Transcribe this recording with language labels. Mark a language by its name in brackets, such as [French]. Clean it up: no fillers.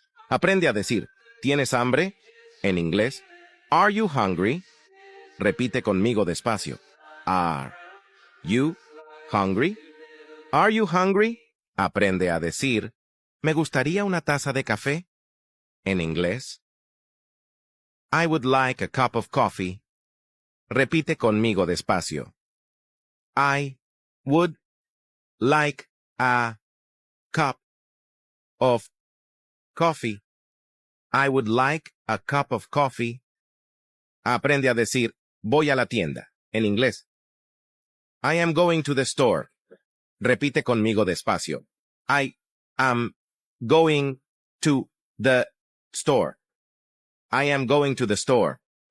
[Spanish] Aprende a decir, ¿tienes hambre? En inglés, [English] are you hungry? [Spanish] Repite conmigo despacio. [English] Are you hungry? Are you hungry? [Spanish] Aprende a decir, ¿me gustaría una taza de café? En inglés, [English] I would like a cup of coffee. [Spanish] Repite conmigo despacio. [English] I would like a cup of coffee. I would like a cup of coffee. [Spanish] Aprende a decir, voy a la tienda. En inglés, [English] I am going to the store. [Spanish] Repite conmigo despacio. [English] I am going to the store. I am going to the store.